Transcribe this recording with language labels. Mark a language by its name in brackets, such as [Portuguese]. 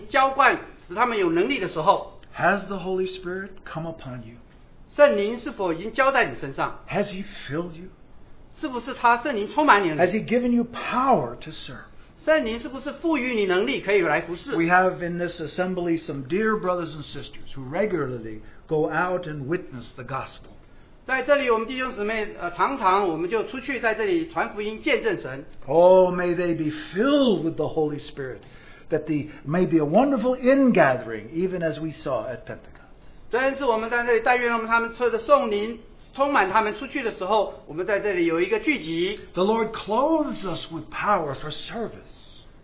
[Chinese] 所以就当门徒们在这里等待圣灵浇灌，使他们有能力的时候。 [English] Has the Holy Spirit come upon you? [Chinese] 圣灵是否已经浇在你身上？ [English] Has He filled you? [Chinese] 是不是他圣灵充满你呢？ [English] Has He given you power to serve? [Chinese] 圣灵是不是赋予你能力可以来服侍？ [English] We have in this assembly some dear brothers and sisters who regularly go out and witness the gospel. [Chinese] 在这里我们弟兄姊妹常常我们就出去在这里传福音见证神。 [English] Oh, may they be filled with the Holy Spirit. That the may be a wonderful ingathering, even as we saw at Pentecost. The Lord clothes us with power for service.